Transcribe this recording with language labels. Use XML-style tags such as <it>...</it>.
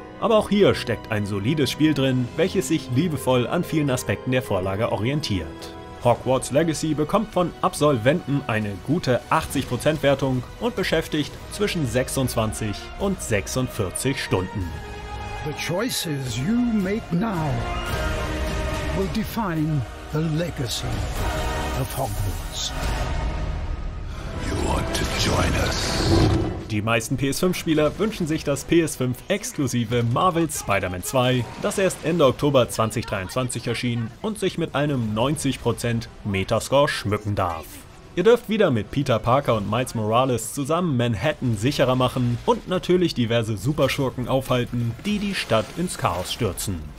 <de>Aber auch hier steckt ein solides Spiel drin, welches sich liebevoll an vielen Aspekten der Vorlage orientiert. Hogwarts Legacy bekommt von Absolventen eine gute 80% Wertung und beschäftigt zwischen 26 und 46 Stunden.</de> <en>The choices you make now will define the legacy of Hogwarts. You want to join us?</en> <de>Die meisten PS5-Spieler wünschen sich das PS5-exklusive Marvel's Spider-Man 2, das erst Ende Oktober 2023 erschien und sich mit einem 90% Metascore schmücken darf. Ihr dürft wieder mit Peter Parker und Miles Morales zusammen Manhattan sicherer machen und natürlich diverse Superschurken aufhalten, die die Stadt ins Chaos stürzen.</de>